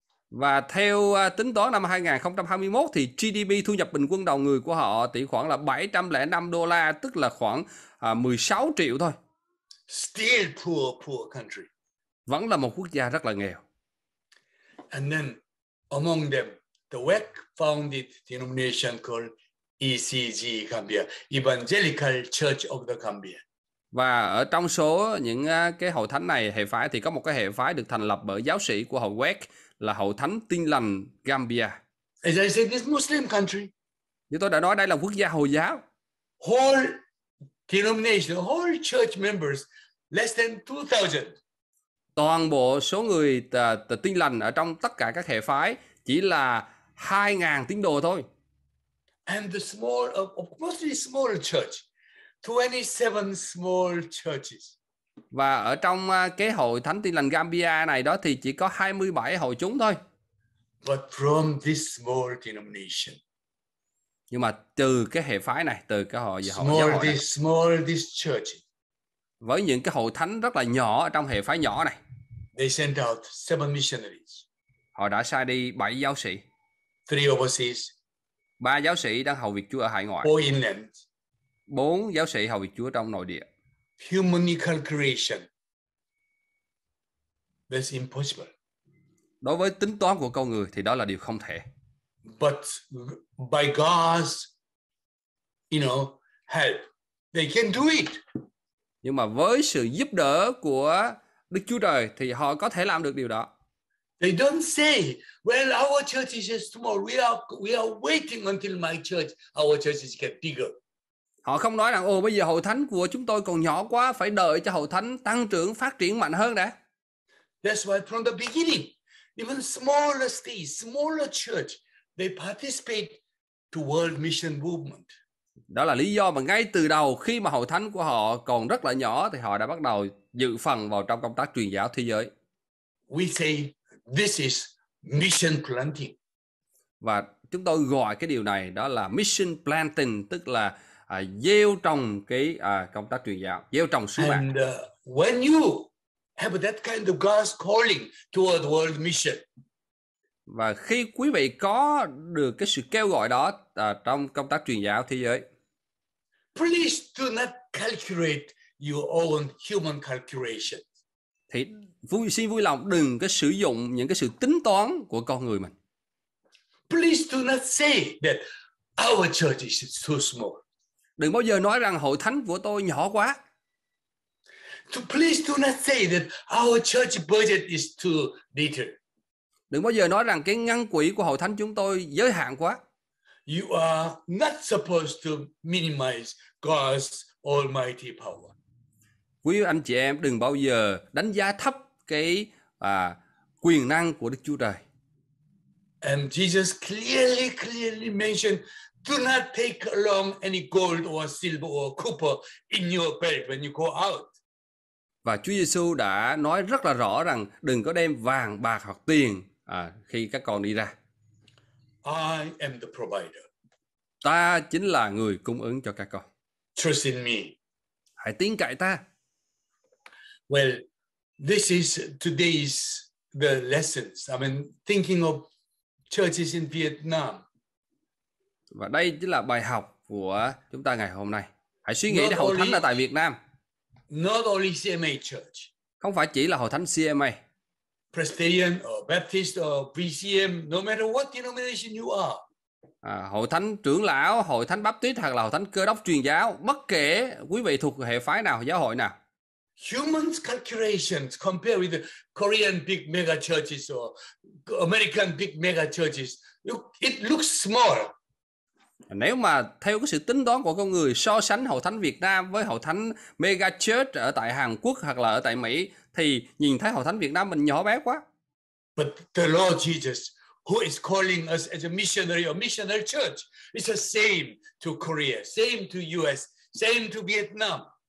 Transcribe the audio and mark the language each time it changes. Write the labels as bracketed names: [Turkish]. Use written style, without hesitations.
[Vietnamese] Và theo tính toán năm 2021 thì GDP thu nhập bình quân đầu người của họ tỷ khoảng là $705, tức là khoảng 16 triệu thôi. [English] Still poor country. [Vietnamese] Vẫn là một quốc gia rất là nghèo. [English] And then among them, the WEC founded denomination called ECG Gambia, Evangelical Church of the Gambia. [Vietnamese] Và ở trong số những cái hội thánh này, hệ phái thì có một cái hệ phái được thành lập bởi giáo sĩ của hội WEC, là hội thánh Tin Lành Gambia. [English] As I said, this Muslim country. [Vietnamese] Như tôi đã nói, đây là quốc gia Hồi giáo. [English] Whole denomination, whole church members, less than 2,000. [Vietnamese] Toàn bộ số người Tin Lành ở trong tất cả các hệ phái chỉ là 2,000 tín đồ thôi. [English] And the small, mostly small church, 27 small churches. [Vietnamese] Và ở trong cái hội thánh Tin Lành Gambia này đó thì chỉ có 27 hội chúng thôi. [English] But from this small denomination. [Vietnamese] Nhưng mà từ cái hệ phái này, từ cái hội giáo hội này. [English] Small this church. [Vietnamese] Với những cái hội thánh rất là nhỏ ở trong hệ phái nhỏ này. [English] They sent out 7 missionaries. [Vietnamese] Họ đã sai đi 7 giáo sĩ. [English] 3 overseas. [Vietnamese] 3 giáo sĩ đang hầu việc Chúa ở hải ngoại. [English] 4 inland. [Vietnamese] 4 giáo sĩ hầu việc Chúa trong nội địa. [English] Humanly calculation, that's impossible. [Vietnamese] Đối với tính toán của con người thì đó là điều không thể. [English] But by God's, you know, help, they can do it. [Vietnamese] Nhưng mà với sự giúp đỡ của Đức Chúa Trời thì họ có thể làm được điều đó. [English] They don't say, well, our church is just small. We are waiting until our church is get bigger. [Vietnamese] Họ không nói rằng, ồ, bây giờ hội thánh của chúng tôi còn nhỏ quá, phải đợi cho hội thánh tăng trưởng, phát triển mạnh hơn đã. [English] That's why from the beginning, even smaller cities, smaller church, they participate to world mission movement. [Vietnamese] Đó là lý do mà ngay từ đầu, khi mà hội thánh của họ còn rất là nhỏ, thì họ đã bắt đầu dự phần vào trong công tác truyền giáo thế giới. [English] We say, this is mission planting. [Vietnamese] Và chúng tôi gọi cái điều này, đó là mission planting, tức là gieo trồng cái công tác truyền giáo, gieo trồng sứ mạng. [English] And when you have that kind of God's calling toward world mission. [Vietnamese] Và khi quý vị có được cái sự kêu gọi đó trong công tác truyền giáo thế giới. [English] Please do not calculate your own human calculation. [Vietnamese] Thì xin vui lòng đừng có sử dụng những cái sự tính toán của con người mình. [English] please do not say that our church is too small. [Vietnamese] Đừng bao giờ nói rằng hội thánh của tôi nhỏ quá. [English] To please do not say that our church budget is too little. [Vietnamese] Đừng bao giờ nói rằng cái ngân quỹ của hội thánh chúng tôi giới hạn quá. [English] You are not supposed to minimize God's almighty power. [Vietnamese] Quý anh chị em đừng bao giờ đánh giá thấp cái quyền năng của Đức Chúa Trời. [English] And Jesus clearly mentioned, do not take along any gold or silver or copper in your belt when you go out. [Vietnamese] Và Chúa Giêsu đã nói rất là rõ rằng đừng có đem vàng bạc hoặc tiền khi các con đi ra. [English] I am the provider. [Vietnamese] Ta chính là người cung ứng cho các con. [English] Trust in me. [Vietnamese] Hãy tin cậy ta. [English] Well, this is today's the lessons. I mean, thinking of churches in Vietnam. [Vietnamese] Và đây chính là bài học của chúng ta ngày hôm nay. Hãy suy nghĩ đến hội thánh là tại Việt Nam. [English] Not only CMA Church. [Vietnamese] Không phải chỉ là hội thánh CMA. [English] Presbyterian or Baptist or VCM, no matter what denomination you are. [Vietnamese] Hội thánh trưởng lão, hội thánh Baptist hoặc là hội thánh Cơ Đốc truyền giáo, bất kể quý vị thuộc hệ phái nào, giáo hội nào. [English] Human calculations compared with the Korean big mega churches or American big mega churches, it looks small. [Vietnamese] Nếu mà theo cái sự tính toán của con người so sánh hội thánh Việt Nam với hội thánh mega church ở tại Hàn Quốc hoặc là ở tại Mỹ thì nhìn thấy hội thánh Việt Nam mình nhỏ bé quá. [English] But the Lord Jesus, who is calling us as a missionary or missionary church, is the same to Korea, same to US, same to Vietnam.